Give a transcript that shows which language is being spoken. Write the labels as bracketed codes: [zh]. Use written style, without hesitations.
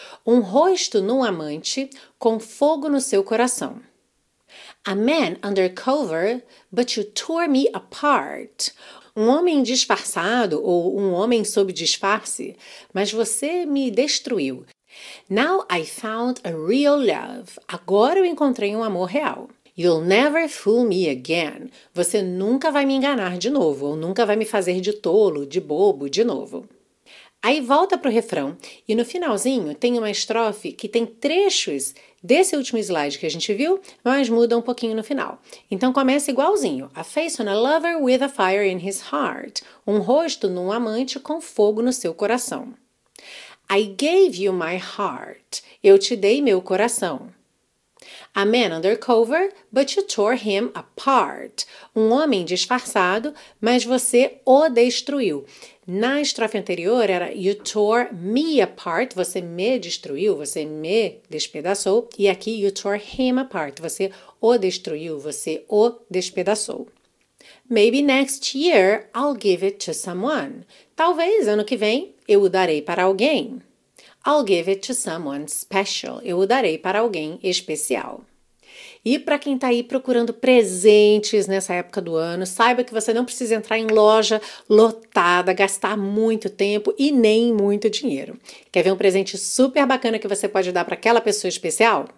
[pt] Um rosto num amante com fogo no seu coração. [en] A man undercover, but you tore me apart. [pt] Um homem disfarçado ou um homem sob disfarce, mas você me destruiu. [en] Now I found a real love. [pt] Agora eu encontrei um amor real. [en] You'll never fool me again. [pt] Você nunca vai me enganar de novo ou nunca vai me fazer de tolo, de bobo de novo. Aí volta pro refrão e no finalzinho tem uma estrofe que tem trechos desse último slide que a gente viu, mas muda um pouquinho no final. Então começa igualzinho. [en] A face on a lover with a fire in his heart. [pt] Um rosto num amante com fogo no seu coração. [en] I gave you my heart. [pt] Eu te dei meu coração. [en] A man undercover, but you tore him apart. [pt] Um homem disfarçado, mas você o destruiu. Na estrofe anterior era [en] you tore me apart, [pt] você me destruiu, você me despedaçou. E aqui [en] you tore him apart, [pt] você o destruiu, você o despedaçou. [en] Maybe next year I'll give it to someone. [pt] Talvez ano que vem eu o darei para alguém. [en] I'll give it to someone special. [pt] Eu o darei para alguém especial. E para quem está aí procurando presentes nessa época do ano, saiba que você não precisa entrar em loja lotada, gastar muito tempo e nem muito dinheiro. Quer ver um presente super bacana que você pode dar para aquela pessoa especial?